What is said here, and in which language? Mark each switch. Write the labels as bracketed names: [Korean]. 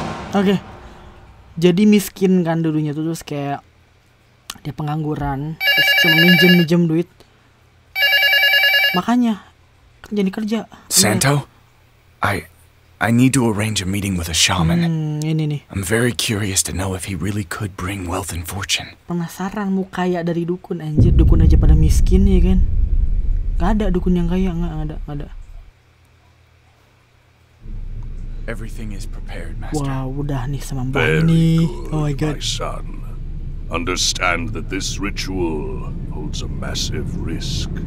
[Indonesian] Oke. Jadi miskin kan dulunya tuh, terus kayak dia pengangguran, terus cuma minjem duit. Makanya jadi kerja. [English] Santo, I need to arrange a meeting with a shaman. [Indonesian] Ini nih. [English] I'm very curious to know if he really could bring wealth and fortune. [Indonesian] Penasaran mau kaya dari dukun, anjir, dukun aja pada miskin ya kan. Gak ada dukun yang kaya, gak ada. [English] Everything is prepared, master. [Indonesian] Wow, udah nih sama Mbak ini. [English] Oh my god. My son. Understand that this ritual holds a massive risk.